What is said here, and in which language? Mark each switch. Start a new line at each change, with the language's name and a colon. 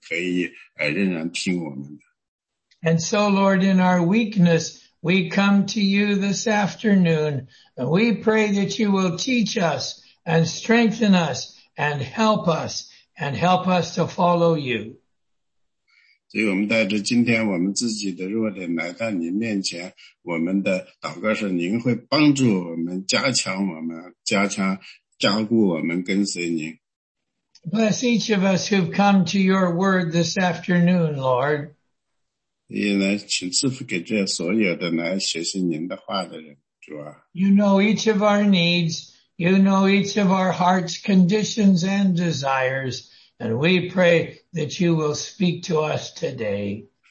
Chinese: 我们非常感恩,我们可以从任何地方,任何时间来到您的面前,您可以仍然听我们。
English: And so, Lord, in our weakness, we come to you this afternoon and we pray that you will teach us and strengthen us and help us to follow you.
Chinese: 所以我们带着今天我们自己的弱点来到您面前,我们的祷告是您会帮助我们,加强我们,加强,加固我们,跟随您。
English: Bless each of us who've come to your word this afternoon, Lord.
Chinese: 也来,请赐福给这所有的来学习您的话的人,主啊。
English: You know each of our needs, you know each of our hearts' conditions and desires, and we pray that you will speak to us today.